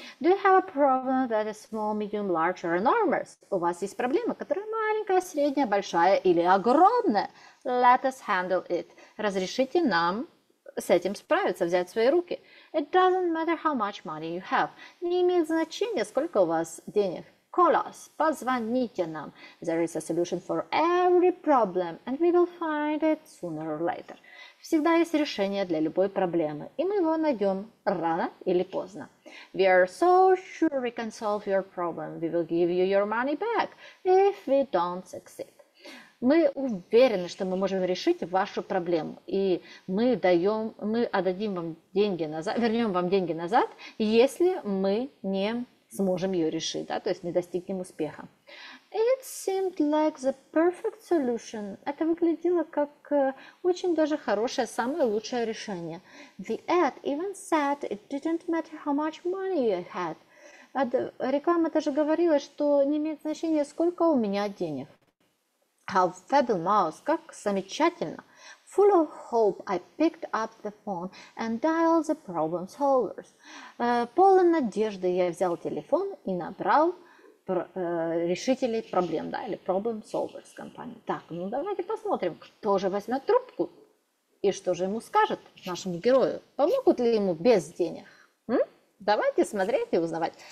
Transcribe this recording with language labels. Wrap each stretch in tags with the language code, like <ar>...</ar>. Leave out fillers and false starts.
<en>Do you have a problem that is small, medium, large or enormous?</en> <ru>У вас есть проблема, которая маленькая, средняя, большая или огромная?</ru> <en>Let us handle it.</en> <ru>Разрешите нам с этим справиться, взять в свои руки.</ru> <en>It doesn't matter how much money you have.</en> <ru>Не имеет значения, сколько у вас денег.</ru> <en>Call us.</en> <ru>Позвоните нам.</ru> <en>There is a solution for every problem, and we will find it sooner or later.</en> <ru>Всегда есть решение для любой проблемы, и мы его найдем рано или поздно.</ru> <en>We are so sure we can solve your problem. We will give you your money back if we don't succeed.</en> <ru>Мы уверены, что мы можем решить вашу проблему, и вернем вам деньги назад, если мы не сможем ее решить, да, то есть не достигнем успеха.</ru> <en>It seemed like the perfect solution.</en> <ru>Это выглядело как очень даже хорошее, самое лучшее решение.</ru> <en>The ad even said it didn't matter how much money you had.</en> <ru>Реклама даже говорила, что не имеет значения, сколько у меня денег.</ru> <en>How fabulous,</en> <ru>как замечательно.</ru> <en>Full of hope, I picked up the phone and dialed the problem solvers.</en> <ru>Полон надежды, я взял телефон и набрал решителей проблем, да, или</ru> <en>problem solvers</en> <ru>компании. Так, ну давайте посмотрим, кто же возьмет трубку и что же ему скажет нашему герою. Помогут ли ему без денег? Давайте смотреть и узнавать.</ru>